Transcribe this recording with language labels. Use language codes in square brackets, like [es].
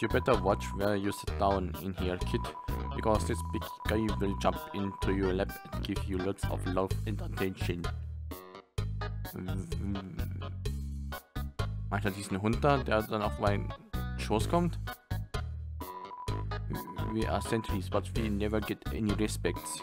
[en] You better watch where you sit down in here, kid. Because this big guy will jump into your lap and give you lots of love and attention. [de] Meint er diesen Hund da, der dann auf meinen Schoß kommt? [en] We are sentries, but we never get any respect.